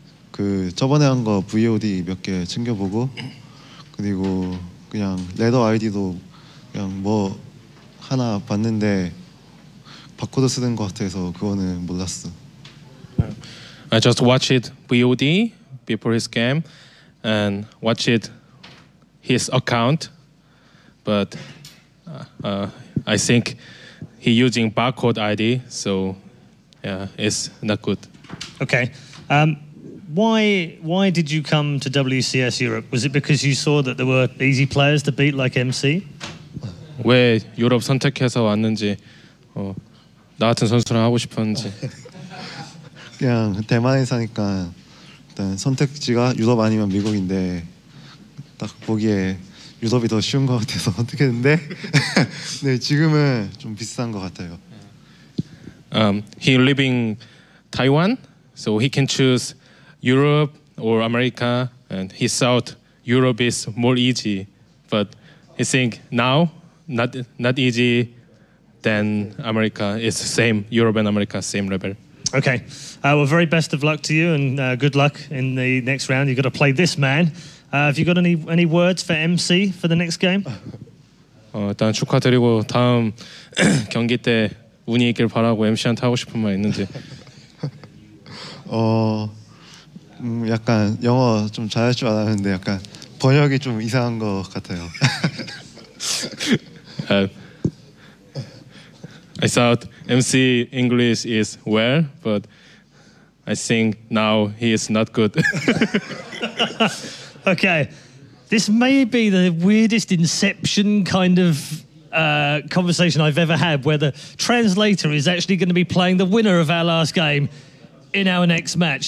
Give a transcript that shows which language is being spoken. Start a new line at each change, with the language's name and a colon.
Korean: 그 저번에 한 거 VOD 몇 개 챙겨보고 그리고 그냥 레더 아이디도 그냥 뭐 하나 봤는데 바코드 쓰는 것 같아서 그거는 몰랐어.
English: I just watch it VOD before his game and watch it his account, but I think he using barcode ID, so yeah, it's not good. Okay, why did you come to WCS Europe? Was it because you saw that there were easy players to beat like MC?
Korean: 왜 유럽 선택해서 왔는지 나 같은 선수랑 하고 싶었는지. 그냥 대만에 사니까 일단 선택지가 유럽 아니면 미국인데 딱 보기에 유럽이 더 쉬운 것 같아서 선택했는데 네 지금은 좀 비싼 것 같아요.
English: He living Taiwan, so he can choose Europe or America, and he thought Europe is more easy, but he think now not easy than America. It's the same Europe and America, same level. Okay, well, very best of luck to you, and good luck in the next round. You've got to play this man. Have you got any words for MC for the next game?
Korean: 일단 축하드리고 다음 경기 때 운이 있길 바라고 MC한테 하고 싶은 말 있는지. 약간 영어 좀 잘할 줄 알았는데 약간 번역이 좀 이상한 것 같아요.
English: I thought MC English is well, but I think now he is not good. Okay, this may be the weirdest Inception kind of conversation I've ever had, where the translator is actually going to be playing the winner of our last game in our next match.